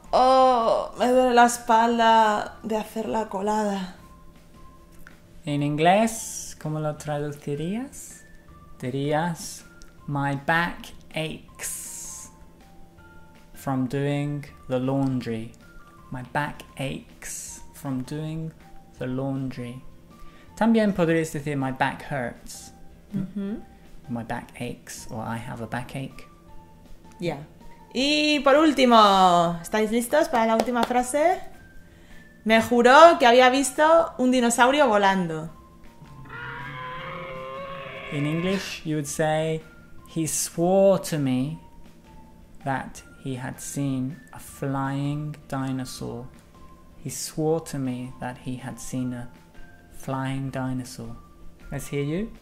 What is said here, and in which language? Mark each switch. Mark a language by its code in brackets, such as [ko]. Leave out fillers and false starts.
[es] Oh, me duele la espalda de hacer la colada. En inglés, ¿cómo lo traducirías? Dirías, [en] my back aches from doing the laundry. My back aches from doing the laundry. [es] También podrías decir, [en] my back hurts. Mm-hmm. My back aches, or I have a backache. Yeah. [es] Y por último, ¿estáis listos para la última frase? Me juró que había visto un dinosaurio volando. [en] In English, you would say, he swore to me that he had seen a flying dinosaur. He swore to me that he had seen a flying dinosaur. Let's hear you.